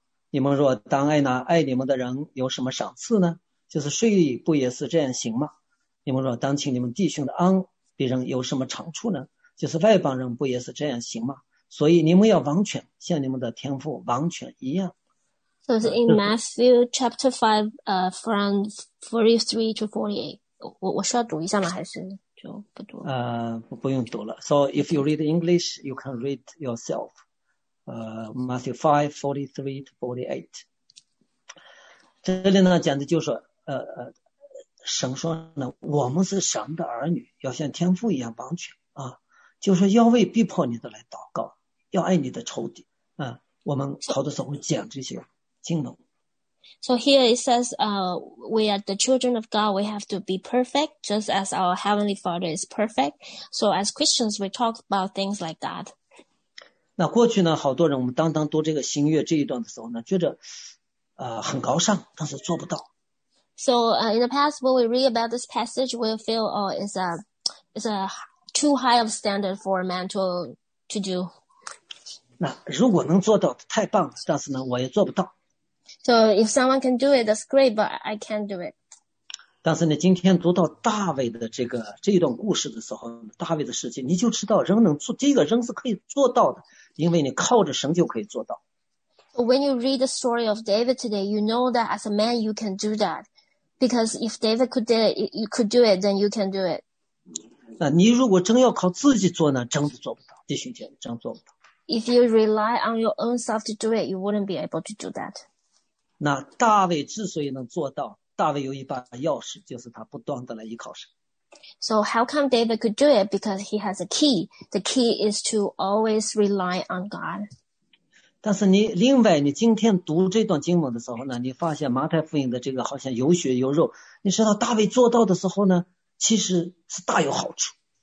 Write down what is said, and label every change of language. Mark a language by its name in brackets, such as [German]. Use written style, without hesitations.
[Chinese] 你们若当爱那爱你们的人有什么赏赐呢？就是税吏不也是这样行吗？你们若当请你们弟兄的安，别人有什么长处呢？就是外邦人不也是这样行吗？所以你们要完全像你们的天父完全一样。 [English] So it's in Matthew chapter 5, from 43 to 48. [Chinese] 我需要读一下吗？还是就不读了？不用读了。 [English] So if you read English, you can read yourself. Matthew 5:43-48. [Chinese] 这里呢讲的就是神说呢，我们是神的儿女，要像天父一样完全啊，就是要为逼迫你的来祷告，要爱你的仇敌啊。我们好多时候讲这些经文。 [English] So here it says, we are the children of God, we have to be perfect, just as our Heavenly Father is perfect. So as Christians, we talk about things like that. [Chinese] 那过去呢，好多人我们当读这个新约这一段的时候呢，觉得很高尚，但是做不到。 [English] So, in the past, when we read about this passage, we feel, it's a too high of standard for a man to do. [Chinese] 那如果能做到，太棒了，但是呢，我也做不到。 [English] So, if someone can do it, that's great, but I can't do it. [Chinese] 但是呢，今天读到大卫的这一段故事的时候，大卫的事迹，你就知道人能做，这个人是可以做到的。因为你靠着神就可以做到。 [English] When you read the story of David today, you know that as a man you can do that. Because if David could do it, you could do it, then you can do it. [Chinese] 那你如果真要靠自己做呢，真的做不到，弟兄姐妹，真做不到。 [English] If you rely on your own self to do it, you wouldn't be able to do that. [Chinese] 那大卫之所以能做到，大卫有一把钥匙，就是他不断的来依靠神。 [English] So how come David could do it? Because he has a key. The key is to always rely on God. [Chinese] 但是你另外你今天读这段经文的时候呢，你发现马太福音的这个好像有血有肉。你知道大卫做到的时候呢，其实是大有好处。